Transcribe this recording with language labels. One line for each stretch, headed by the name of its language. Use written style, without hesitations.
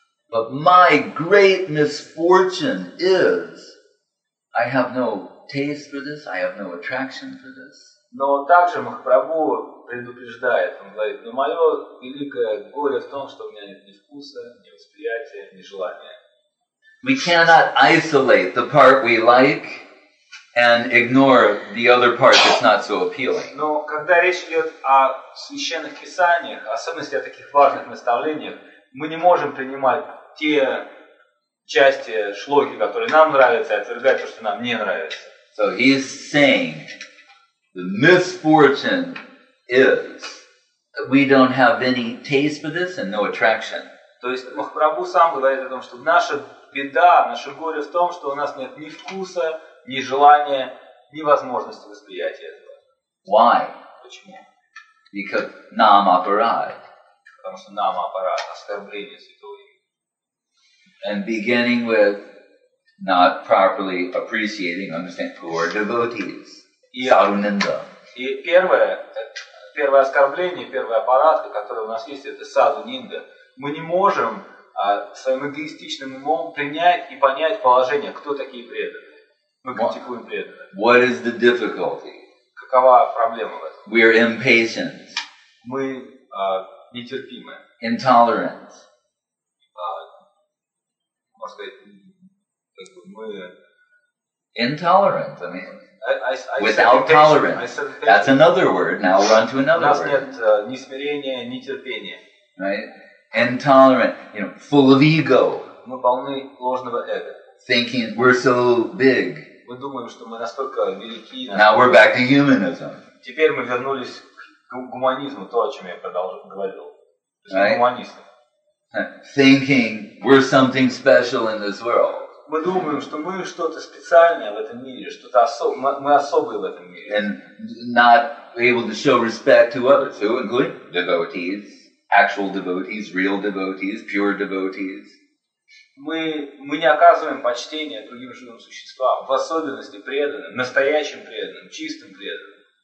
English: But my great misfortune is I have no taste for this, I have no attraction for this.
Russian: Но также Махапрабху предупреждает, он говорит, но мое великое горе в том, что у меня нет ни вкуса, ни восприятия, ни желания.
English: We cannot isolate the part we like and ignore the other part that's not so appealing.
Russian: Но когда речь идет о священных писаниях, особенно о таких важных наставлениях, мы не можем принимать те части шлоки, которые нам нравятся, и отвергать то, что нам не нравится.
English: So he is saying, the misfortune is that we don't have any taste for this and no attraction.
Russian: То есть Махапрабху сам говорит о том, что наша беда, наше горе в том, что у нас нет ни вкуса, ни желания, ни возможности восприятия этого.
English: Why?
Russian: Почему?
English: Because нам апарад.
Russian: Потому что нам апарад, оскорбление святого имени.
English: And beginning with not properly appreciating, understand who are devotees.
Sanskrit: Саду-нинда.
Russian: И первое оскорбление, первая парадка, которая у нас есть, это саду-нинда. Мы не можем своим эгоистичным умом принять и понять положение, кто такие преданные. Мы критикуем преданных.
English: What is the difficulty?
Russian: Какова проблема в этом?
English: We are impatient.
Russian: Мы нетерпимы.
English: Intolerant.
Russian: Можно сказать, как бы мы...
English: Intolerant, I mean... Without tolerance. That's another word. Now we're on to another word.
Russian: У нас нет ни смирения, ни терпения.
English: Right? Intolerant. You know, full of ego.
Russian: Мы полны ложного эго.
English: Thinking we're so big.
Russian: Мы думаем, что мы настолько велики.
English: Now we're back to humanism.
Russian: Теперь мы вернулись к гуманизму, то, о чем я продолжил говорил.
English: Right?
Russian: Мы гуманисты.
English: Thinking we're something special in this world.
Russian: Мы думаем, что мы что-то специальное в этом мире, что-то особое, мы особые в этом мире.
English: And not able to show respect to others, including devotees, actual devotees, real devotees, pure devotees.
Russian: Мы не оказываем почтения другим живым существам, в особенности преданным, настоящим преданным, чистым преданным.